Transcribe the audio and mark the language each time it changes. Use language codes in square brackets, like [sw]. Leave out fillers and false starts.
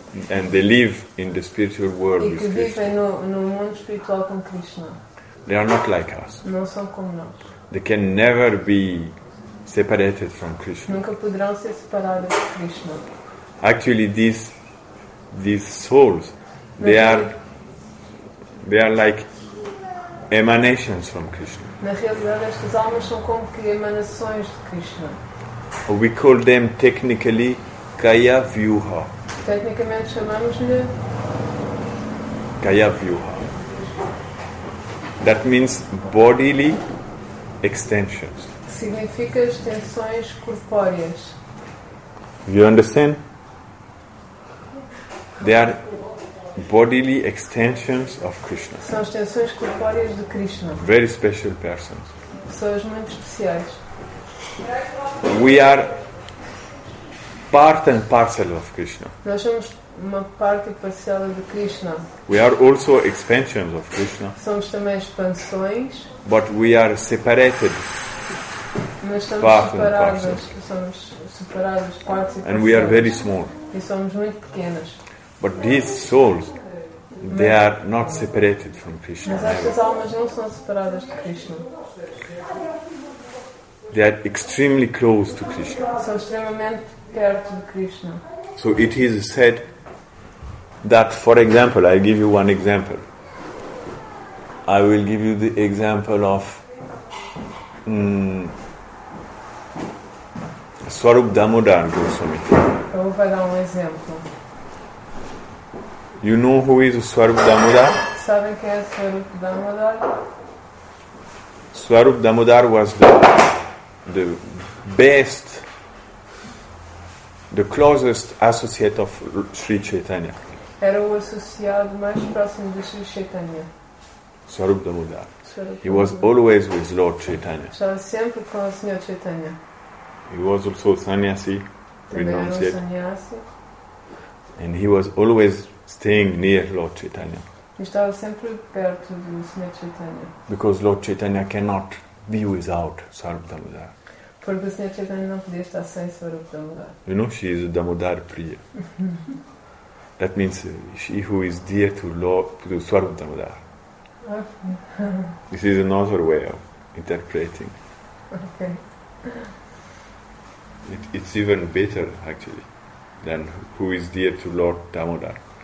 [en] And they live in the spiritual world with Krishna. [pt] E que vivem no mundo espiritual com Krishna. [en] They are not like us. [pt] Não são como nós. [en] They can never be separated from Krishna. [pt] Nunca poderão ser separadas de Krishna. [en] Actually, these souls, they are like emanations from Krishna. [pt] Na realidade, estas almas são como que emanações de Krishna. [en] We call them technically Kaya Vyuha. [pt] Tecnicamente chamamos-lhe Kaya Vyuha. [en] That means bodily extensions. [pt] Significa extensões corpóreas. [en] You understand? They are bodily extensions of Krishna. [pt] São extensões corpóreas de Krishna. [en] Very special persons. [pt] Pessoas muito especiais. [en] We are part and parcel of Krishna. [pt] Nós somos uma parte parcial de Krishna. [en] We are also expansions of Krishna. [pt] Somos também expansões. [en] But we are separated. [pt] Nós estamos part separados. Somos separados, partes e parcelas. [en] And we are very small. [pt] E somos muito pequenas. [en] But these souls, they are not separated from Krishna. [pt] Mas estas almas não são separadas de Krishna. [en] They are extremely close to Krishna. [pt] São extremamente perto de Krishna. [en] So it is said that, for example, I give you one example. I will give you the example of Swarup Damodar Goswami. [pt] Eu vou dar um exemplo. [en] You know who is Swarup Damodar? [pt] Sabem quem é Swarup Damodar? [en] Swarup Damodar was the best, the closest associate of Sri Chaitanya. [pt] Era o associado mais próximo de Sri Chaitanya. [en] Swarup Damodar. He was always with Lord Chaitanya. [pt] Estava sempre com o Senhor Chaitanya. [en] He was also sannyasi. [pt] Também era um sannyasi. [en] And he was always staying near Lord Chaitanya. [pt] Estava sempre perto do Senhor Chaitanya. [en] Because Lord Chaitanya cannot be without Swarup Damodar. [pt] Porque o Senhor Chaitanya não podia estar sem Swarup Damodar. [en] You know, she is Damodar Priya. That means she who is dear to Lord Swarup Damodar. This is another way of interpreting. Okay. It's even better, actually, than who is dear to Lord Damodar.